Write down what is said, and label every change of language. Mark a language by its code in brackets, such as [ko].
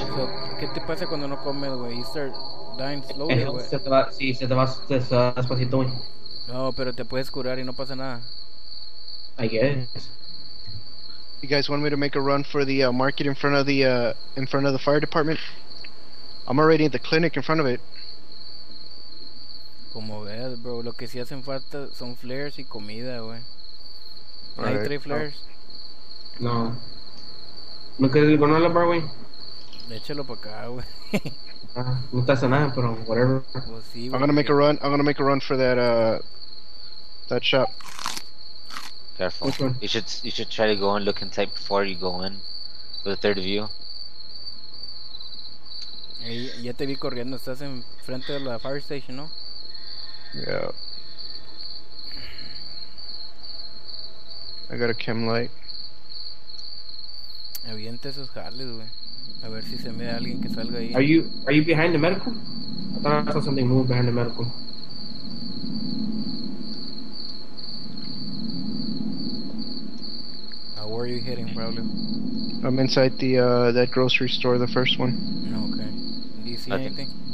[es] So, ¿qué te pasa cuando no comes, güey? [en] You start dying slowly, güey. [es] Se te va despacito, güey. No, pero te puedes curar y no pasa nada. [en] I guess. You guys want me to make a run for the market in front of the fire department? I'm already at the clinic in front of it. [es] Como veas, bro, lo que sí hacen falta son flares y comida, güey. Right. ¿Hay tres flares? No. ¿No quieres ir con la bar, güey? Échalo pa' acá, güey. No te hace nada, pero whatever. Pues sí, güey. [en] I'm gonna make a run for that, that shop. Careful. You should try to go and look inside before you go in. For the third view. [es] Hey, ya te vi corriendo, estás en frente de la fire station, ¿no? [en] Yeah. I got a chem light. [es] Avienta esos jales, güey. A ver si se ve alguien que salga ahí. [en] Are you behind the medical? I thought I saw something move behind the medical. Now, where are you heading, Braulio? I'm inside the that grocery store, the first one. Okay. Do you see anything?